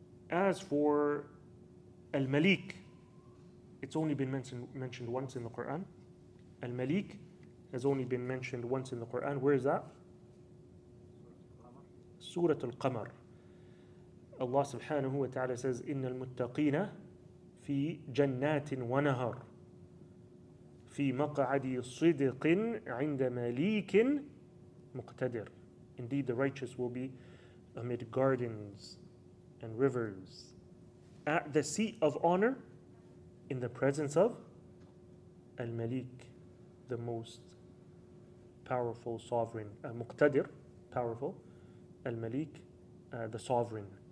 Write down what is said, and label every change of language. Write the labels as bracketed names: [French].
[English] As for Al-Malik, it's only been mentioned once in the Quran. Al-Malik has only been mentioned once in the Quran. Where is that? Surah Al-Qamar. Allah subhanahu wa ta'ala says, [Arabic] إِنَّ الْمُتَّقِينَ فِي جَنَّاتٍ وَنَهَرٍ فِي مَقَعَدِي صِدِقٍ عِنْدَ مَلِيكٍ مُقْتَدِرٍ. [English] Indeed, the righteous will be amid gardens and rivers, at the seat of honor, in the presence of Al-Malik, the most powerful sovereign. Muqtadir, powerful. Al-Malik, the sovereign.